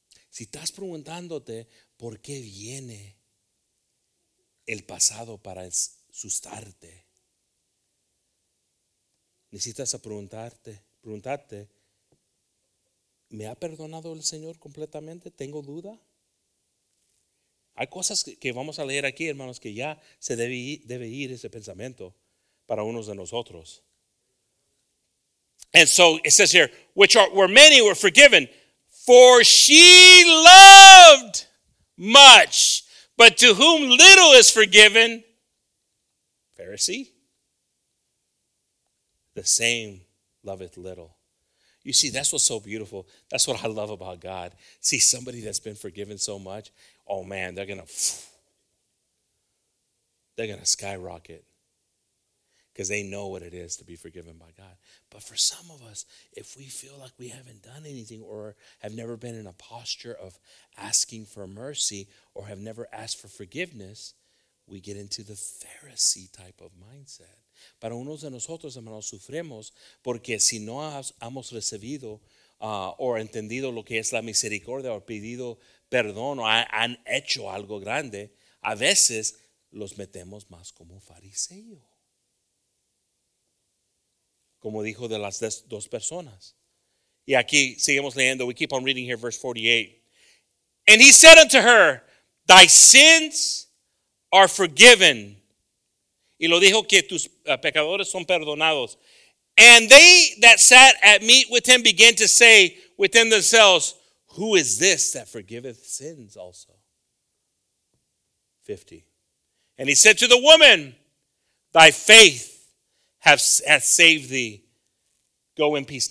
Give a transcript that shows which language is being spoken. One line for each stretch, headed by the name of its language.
Spanish: Si estás preguntándote por qué viene el pasado para asustarte, necesitas preguntarte, ¿me ha perdonado el Señor completamente? ¿Tengo duda? Hay cosas que vamos a leer aquí, hermanos, que ya se debe ir ese pensamiento para unos de nosotros.
English: And so it says here, which are, were many were forgiven, for she loved much, but to whom little is forgiven, Pharisee. The same loveth little. You see, that's what's so beautiful. That's what I love about God. See, somebody that's been forgiven so much, oh man, they're gonna skyrocket because they know what it is to be forgiven by God. But for some of us, if we feel like we haven't done anything or have never been in a posture of asking for mercy or have never asked for forgiveness, we get into the Pharisee type of mindset.
Spanish: Para unos de nosotros, hermanos, sufrimos porque si no hemos recibido o entendido lo que es la misericordia o pedido perdón o han hecho algo grande, a veces los metemos más como fariseo. Como dijo de las dos personas. Y aquí seguimos leyendo.
English: We keep on reading here, verse 48. And he said unto her, thy sins are forgiven.
Spanish: Y lo dijo que tus pecadores son perdonados.
English: And they that sat at meat with him began to say within themselves, who is this that forgiveth sins also? 50. And he said to the woman, thy faith hath saved thee. Go in peace.